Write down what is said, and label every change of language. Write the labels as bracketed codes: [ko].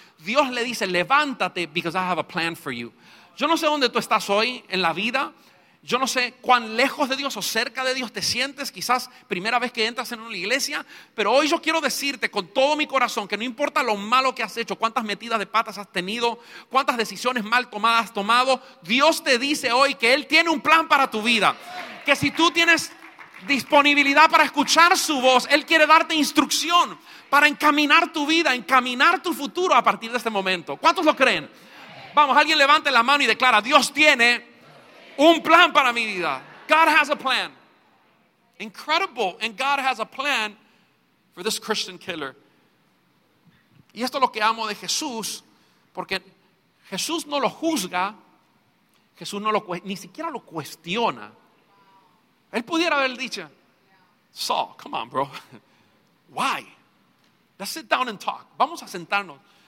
[es] Dios le dice, levántate, [en] because I have a plan for you. [es] Yo no sé dónde tú estás hoy en la vida. Yo no sé cuán lejos de Dios o cerca de Dios te sientes, quizás primera vez que entras en una iglesia, pero hoy yo quiero decirte con todo mi corazón que no importa lo malo que has hecho, cuántas metidas de patas has tenido, cuántas decisiones mal tomadas has tomado, Dios te dice hoy que Él tiene un plan para tu vida, que si tú tienes disponibilidad para escuchar su voz, Él quiere darte instrucción para encaminar tu vida, encaminar tu futuro a partir de este momento. ¿Cuántos lo creen? Vamos, alguien levante la mano y declara, Dios tiene un plan para mi vida. [en] God has a plan. Incredible. And God has a plan for this Christian killer. [es] Y esto es lo que amo de Jesús, porque Jesús no lo juzga, Jesús no lo, ni siquiera lo cuestiona. Él pudiera haber dicho, [en] Saul, come on, bro. Why? Let's sit down and talk. [es] Vamos a sentarnos.